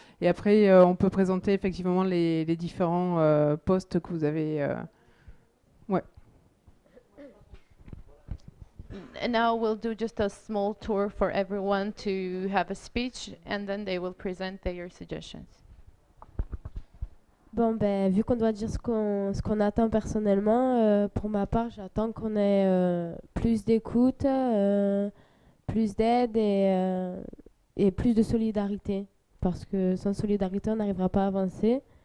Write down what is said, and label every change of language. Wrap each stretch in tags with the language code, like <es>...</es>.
<fr>Et après, on peut présenter effectivement les différents postes que vous avez.</fr> <en>Now we'll do just a small tour for everyone to have a speech and then they will present their suggestions.</en> <fr>Bon, ben, vu qu'on doit dire ce qu'on attend personnellement, pour ma part, j'attends qu'on ait plus d'écoute, plus d'aide et plus de solidarité. Parce que sans solidarité, on n'arrivera pas à avancer.</fr>